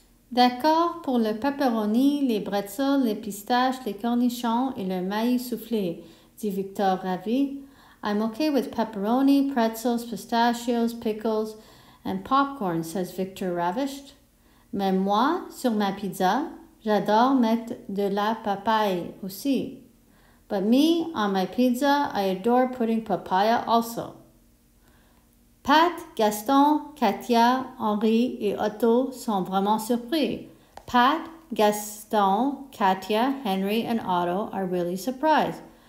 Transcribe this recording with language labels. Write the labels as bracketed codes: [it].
[fr] D'accord pour le pepperoni, les bretzels, les pistaches, les cornichons et le maïs soufflé. Dit Victor ravi. [en] I'm okay with pepperoni, pretzels, pistachios, pickles, and popcorn, says Victor ravished. [fr] Mais moi, sur ma pizza, j'adore mettre de la papaye aussi. [en] But me, on my pizza, I adore putting papaya also. [fr] Pat, Gaston, Katia, Henri et Otto sont vraiment surpris. [en] Pat, Gaston, Katia, Henry and Otto are really surprised.